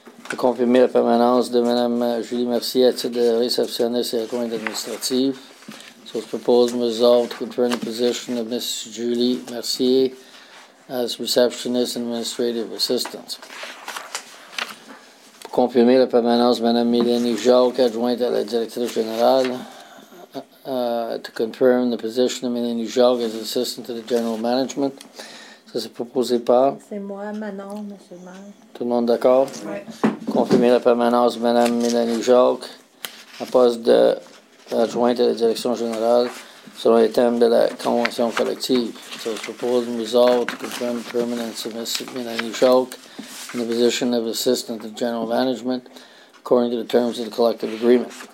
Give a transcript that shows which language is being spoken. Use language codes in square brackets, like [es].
[fr] De confirmer la permanence de Mme Julie Mercier à titre de réceptionniste et adjointe administrative. [en] So it's proposed and resolved to confirm the position of Mrs. Julie Mercier as receptionist and administrative assistant. [fr] Pour confirmer la permanence de Mme Mélanie Jacques, adjointe à la directrice générale, [en] to confirm the position of Mélanie Jacques as assistant to the general management. [fr] Ça, c'est proposé par. C'est moi, Manon, monsieur le maire. Tout le monde d'accord? Oui. Confirmer la permanence de Mme Mélanie Jacques à poste de la jointe de la direction générale sur les thèmes de la convention collective. [en] So it's proposed and resolved to confirm the permanence of Ms. Melanie Schalk in the position of assistant to general management according to the terms of the collective agreement.